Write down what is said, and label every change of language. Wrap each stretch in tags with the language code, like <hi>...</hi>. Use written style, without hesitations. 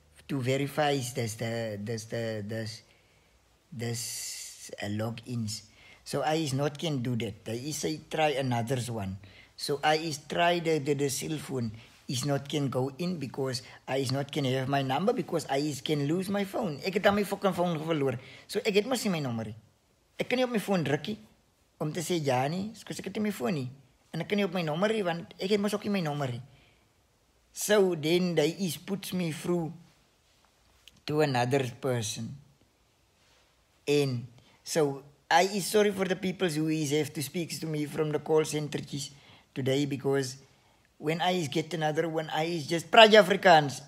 <en>To verify this logins. So I is not can do that. They is say try another one. So I is try the cell phone. Is not can go in because I is not can have my number because I is can lose my phone.</en> <af>Ek het dan my fucking phone verloor. So ek het mos nie my nommer. Ek kan nie op my phone drukkie om te sê ja nie. Skus ek het nie my phone nie. En ek kan nie op my nommer nie want ek het mos ook nie my nommer nie.</af> <en>So then they is puts me through to another person. And so I is sorry for the people who is have to speak to me from the call center today because when I is get another one, I is just praat Afrikaans.</en>